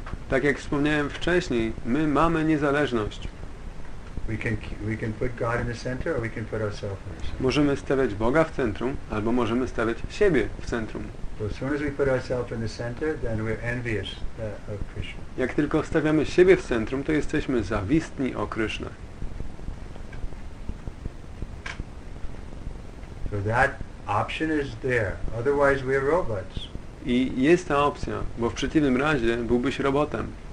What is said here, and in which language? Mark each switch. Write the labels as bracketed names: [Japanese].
[Polish] Tak jak wspomniałem wcześniej, my mamy niezależność. [English] We can put God in the center, or we can put ourselves in the center. [Polish] Możemy stawiać Boga w centrum, albo możemy stawiać siebie w centrum. [English] So as soon as we put ourselves in the center, then we're envious of Krishna. [Polish] Jak tylko stawiamy siebie w centrum, to jesteśmy zawistni o Krishna. [English] So that option is there. Otherwise, we're robots. [Polish] I jest ta opcja, bo w przeciwnym razie byłbyś robotem.